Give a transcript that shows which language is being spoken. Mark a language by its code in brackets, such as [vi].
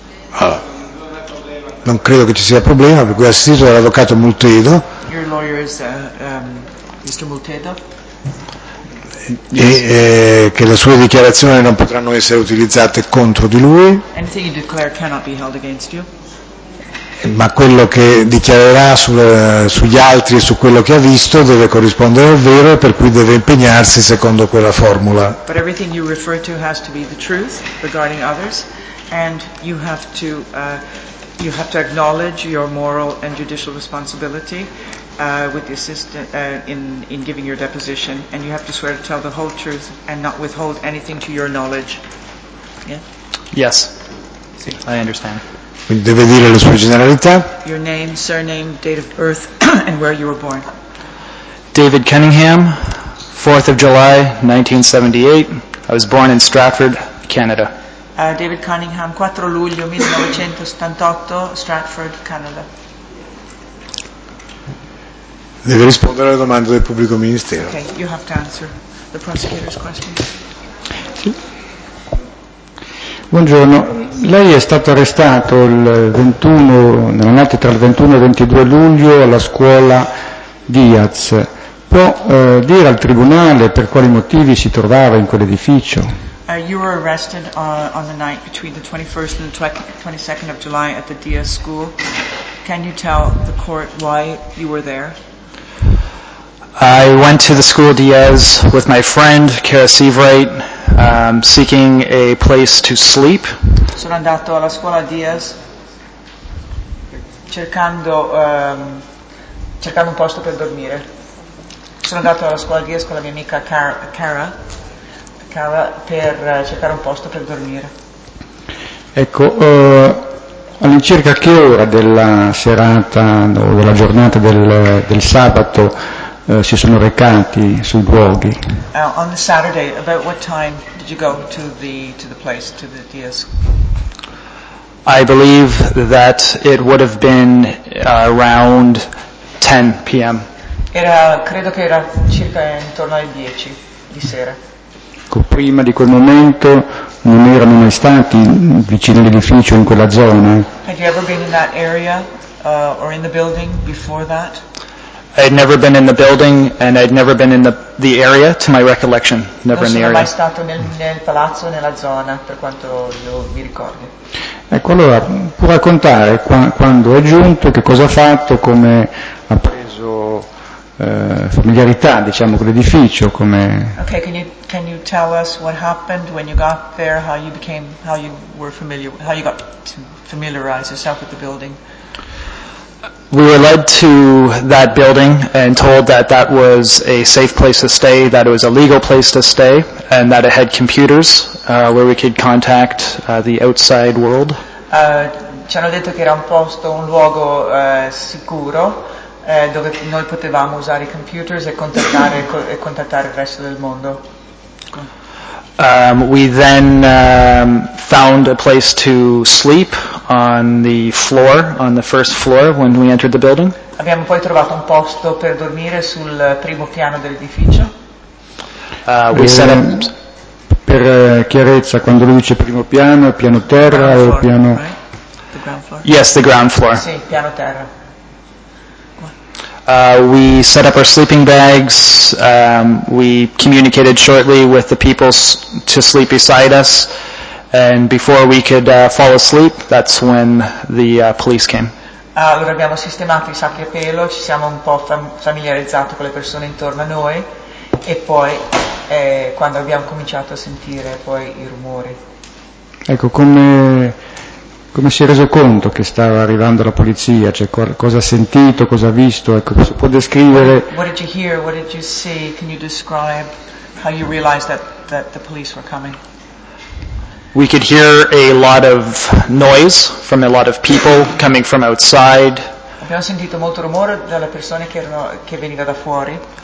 [it] Allora, non credo che ci sia problema, per cui è assistito dall'avvocato Multedo. [en] Your lawyer is Mr. Multedo. [it] Che le sue dichiarazioni non potranno essere utilizzate contro di lui. [en] Anything you declare cannot be held against you. [it] Ma quello che dichiarerà sugli altri e su quello che ha visto deve corrispondere al vero, per cui deve impegnarsi secondo quella formula. [en] But everything you refer to has to be the truth regarding others, and you have to acknowledge your moral and judicial responsibility with the assistant in giving your deposition, and you have to swear to tell the whole truth and not withhold anything to your knowledge. Yeah? Yes. Sì, I understand. [it] Quindi deve dire le sue generalità. [en] Your name, surname, date of birth and where you were born. David Cunningham, 4th of July 1978. I was born in Stratford, Canada. [it] David Cunningham, 4 luglio 1978, Stratford, Canada. Deve rispondere alla domanda del pubblico ministero. [en] Okay, you have to answer the prosecutor's question. [it] Buongiorno, lei è stato arrestato nella notte tra il 21 e il 22 luglio alla scuola Diaz. Può dire al tribunale per quali motivi si trovava in quell'edificio? [en] You were arrested on the night between the 21st and the 22nd of July at the Diaz school. Can you tell the court why you were there? I went to the school Diaz with my friend Kara Sievright, seeking a place to sleep. [it] Sono andato alla scuola Diaz cercando un posto per dormire. Sono andato alla scuola Diaz con la mia amica Cara per cercare un posto per dormire. Ecco, all'incirca che ora della serata o della giornata del sabato si sono recati sui luoghi? [en] On the Saturday, about what time did you go to the place, to the Diaz? I believe that it would have been around 10 p.m. [it] Credo che era circa intorno alle 10 di sera. Ecco, prima di quel momento non erano mai stati vicino all'edificio in quella zona? [en] Had you ever been in that area or in the building before that? I'd never been in the building and I'd never been in the area, to my recollection. Never in the area. [it] Non sono mai stato nel palazzo, nella zona, per quanto io mi ricordo. Ecco, allora, può raccontare quando è giunto, che cosa ha fatto, come ha preso familiarità, diciamo, con l'edificio, come... [en] Okay, can you tell us what happened when you got there, how you got to familiarize yourself with the building? We were led to that building and told that that was a safe place to stay, that it was a legal place to stay, and that it had computers where we could contact the outside world. [it] Ci hanno detto che era un posto, un luogo sicuro dove noi potevamo usare i computers e contattare contattare il resto del mondo. [en] We then found a place to sleep on the floor, on the first floor, when we entered the building. [it] Abbiamo poi trovato un posto per dormire sul primo piano dell'edificio. Per chiarezza, quando lui dice primo piano, piano terra [en] floor, [it] o piano... [en] Right? The ground floor? Yes, the ground floor. [it] Sì, piano terra. [en] We set up our sleeping bags, we communicated shortly with the people to sleep beside us, and before we could fall asleep, that's when the police came. [it] Allora abbiamo sistemato i sacchi a pelo, ci siamo un po' familiarizzati con le persone intorno a noi, e poi quando abbiamo cominciato a sentire poi i rumori. Ecco, come si è reso conto che stava arrivando la polizia? Cioè, cosa ha sentito, cosa ha visto? Ecco, si può descrivere... [en] What did you hear? What did you see? Can you describe how you realized that the police were coming? We could hear a lot of noise from a lot of people coming from outside. [it] Abbiamo sentito molto rumore dalle persone che veniva da fuori.